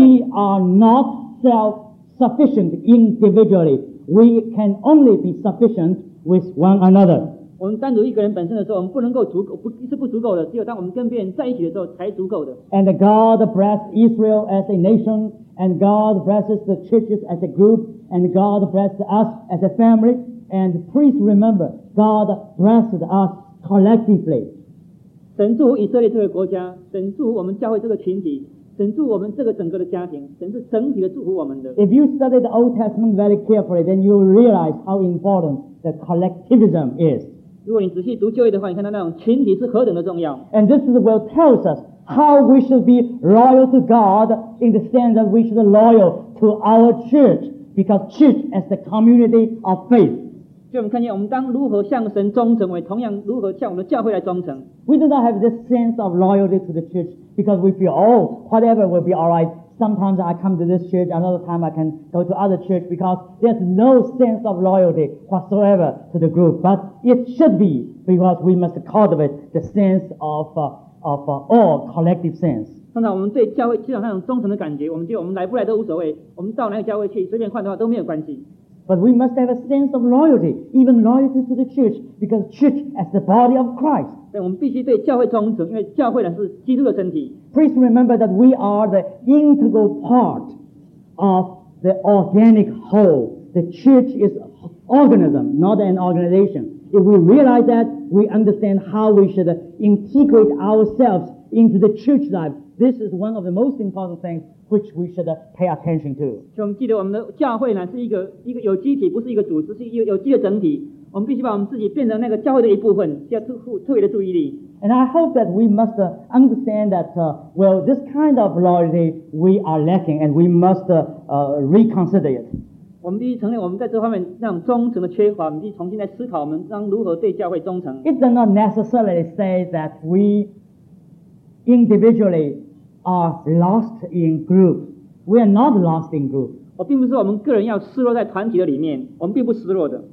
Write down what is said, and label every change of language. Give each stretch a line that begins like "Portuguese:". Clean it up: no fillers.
English: We are not self-sufficient individually. We can only be sufficient with one another.
Chinese: 我们单独一个人本身的时候，我们不能够足够，是不足够的。只有当我们跟别人在一起的时候，才足够的。
English: And God blesses Israel as a nation, and God blesses the churches as a group, and God blesses us as a family. And please remember, God blesses us collectively.
Chinese: 神祝以色列这个国家，神祝我们教会这个群体，神祝我们这个整个的家庭，神是整体的祝福我们的。
English: If you study the Old Testament very carefully, then you realize how important the collectivism is.
Chinese: 如果你仔细读旧约的话，你看到那种群体是何等的重要。
English: And this is what tells us how we should be loyal to God in the sense that we should be loyal to our church, because church as the community of faith.
Chinese: 就我们看见，我们当如何向神忠诚，为同样如何向我们的教会来忠诚。
English: We do not have this sense of loyalty to the church because we feel, oh, whatever will be all right. Sometimes I come to this church, another time I can go to other church because there's no sense of loyalty whatsoever to the group. But it should be because we must cultivate the sense of all collective sense.
Chinese: 通常我们对教会缺少那种忠诚的感觉，我们觉得我们来不来都无所谓，我们到哪个教会去随便换的话都没有关系。
English: But we must have a sense of loyalty, even loyalty to the church, because church as the body of Christ.
Chinese: 对，我们必须对教会忠诚，因为教会呢是基督的身体。
English: Please remember that we are the integral part of the organic whole. The church is organism, not an organization. If we realize that, we understand how we should integrate ourselves into the church life. This is one of the most important things which we should pay attention to.
Chinese: 就我们记得我们的教会呢是一个有机体，不是一个组织，是一个有机的整体。我们必须把我们自己变成那个教会的一部分，需要特别的注意力。
English: And I hope that we must understand that, well, this kind of loyalty we are lacking and we must reconsider it.
Chinese: 我们必须承认我们在这方面那种忠诚的缺乏，我们必须重新来思考我们当如何对教会忠诚。
English: It does not necessarily say that we... Individually are lost in group. We are not lost in group.
Chinese: 我并不是我们个人要失落在团体的里面，我们并不失落的。